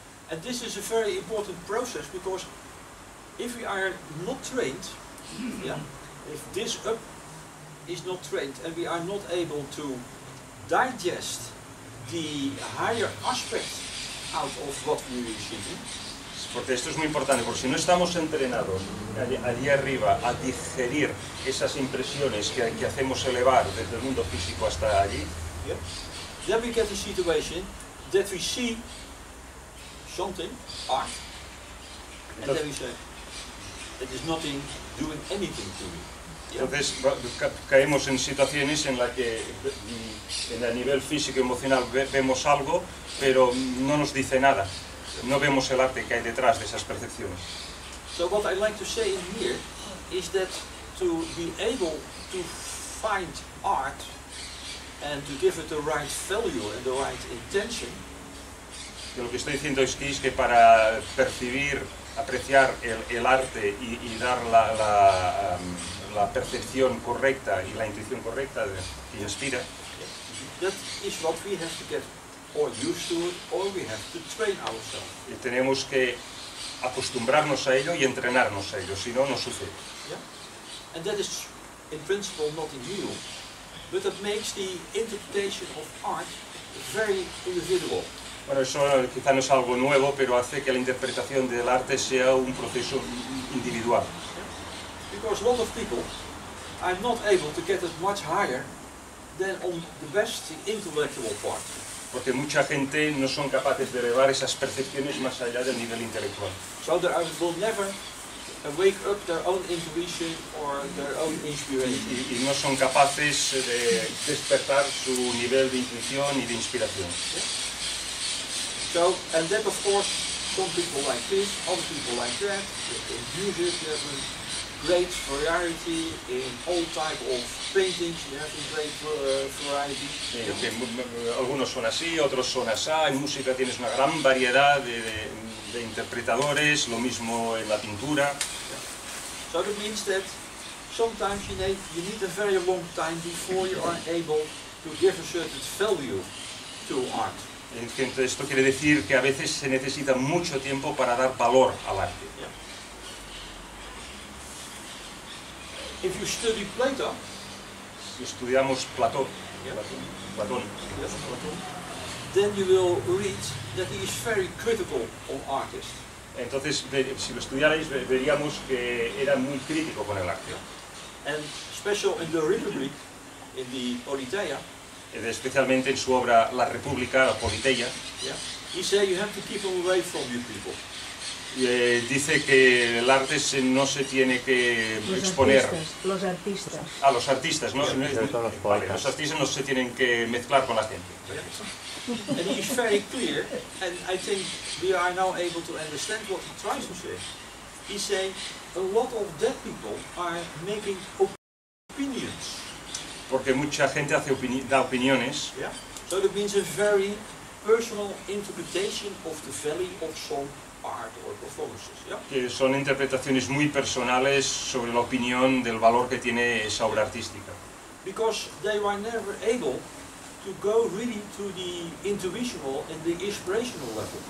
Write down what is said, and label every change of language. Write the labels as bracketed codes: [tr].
[en] And this is a very important process, because if we are not trained, if this up is not trained and we are not able to digest the higher aspect out of what we are receiving. [es] Porque esto es muy importante, porque si no estamos entrenados allí arriba a digerir esas impresiones que hacemos elevar desde el mundo físico hasta allí, [en] then we get a situation that we see something, art, and then we say, it is nothing doing anything to me. [es] Entonces caemos en situaciones en las que en el nivel físico y emocional vemos algo, pero no nos dice nada. No vemos el arte que hay detrás de esas percepciones. [en] So what I like to say in here is that to be able to find art and to give it the right value and the right intention. [es] Y lo que estoy diciendo es que para percibir, apreciar el arte y dar la percepción correcta y la intuición correcta que inspira. [en] That is what we have to get. Or used to it, or we have to train ourselves. [es] Y tenemos que acostumbrarnos a ello y entrenarnos a ello, si no, no sucede. [en] And that is, in principle, nothing new. But that makes the interpretation of art very individual. [es] Bueno, eso quizá no es algo nuevo, pero hace que la interpretación del arte sea un proceso individual. [en] Because a lot of people are not able to get it much higher than on the best intellectual part. [es] Porque mucha gente no son capaces de elevar esas percepciones más allá del nivel intelectual. [en] So they will never wake up their own intuition or their own inspiration. [es] Y no son capaces de despertar su nivel de intuición y de inspiración. [en] So, and then of course, some people like this, other people like that. There's a great variety in all type of paintings. [es] Algunos son así, otros son así. En música tienes una gran variedad de interpretadores. Lo mismo en la pintura. [en] So that means that sometimes you need a very long time before you are able to give a certain value to art. [es] Entonces esto quiere decir que a veces se necesita mucho tiempo para dar valor al arte. [en] If you study Plato, [es] si estudiamos Plato, Platón, [en] then you will read that he is very critical of artists. [es] Entonces, si lo estudiarais, veríamos que era muy crítico con el arte. [en] And special in the Republic, in the Politeia. [es] Especialmente en su obra La República, la Politeia. [en] He said you have to keep them away from you people. [es] Dice que el arte no se tiene que los exponer. Artistas. Ah, los artistas, ¿no? Sí, los vale, los artistas no se tienen que mezclar con la gente. [en] And he's very clear, and I think we are now able to understand what he tries to say. He's saying a lot of dead people are making opinions. [es] Porque mucha gente hace da opiniones. [en] So that means a very personal interpretation of the value of some art or performances. [es] Que son interpretaciones muy personales sobre la opinión del valor que tiene esa obra artística. [en] because they were never able to go really to the intuitional and the inspirational level.